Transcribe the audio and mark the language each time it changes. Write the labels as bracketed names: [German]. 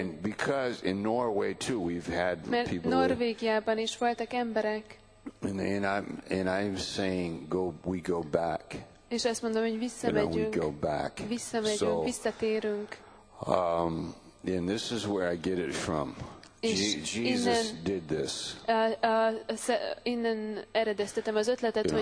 [English] And because in Norway too, we've had people. [Hungarian] Norvégiában is voltak emberek. [English] And I'm saying, we go back. [Hungarian] És azt mondom, hogy visszamegyünk. [English] You know, we go back. [Hungarian] Visszamegyünk, visszatérünk. [English] And this is where I get it from. Jesus [Hungarian] innen, [English] did this. [Hungarian] Innen eredeztetem az ötletet, yeah.